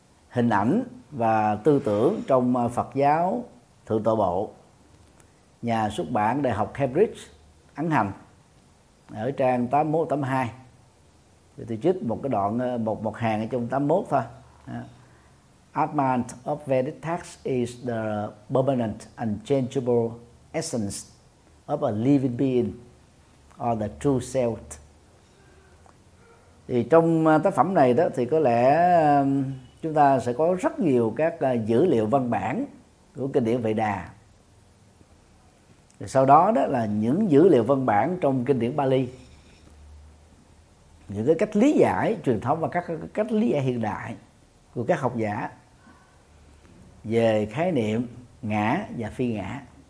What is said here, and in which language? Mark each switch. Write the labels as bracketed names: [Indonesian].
[Vietnamese] hình ảnh và tư tưởng trong Phật giáo Thượng Tọa Bộ, nhà xuất bản Đại học Cambridge, Ấn Hành, ở trang 81-82. Thì tôi trích một cái đoạn, một hàng ở trong 81 thôi. [English] Atman of Vedic texts is the permanent, unchangeable essence of a living being, or the true self. [Vietnamese] Thì trong tác phẩm này đó thì có lẽ chúng ta sẽ có rất nhiều các dữ liệu văn bản của kinh điển Vệ Đà. Rồi sau đó đó là những dữ liệu văn bản trong kinh điển Pali, những cái cách lý giải truyền thống và các cách lý giải hiện đại của các học giả về khái niệm ngã và phi ngã.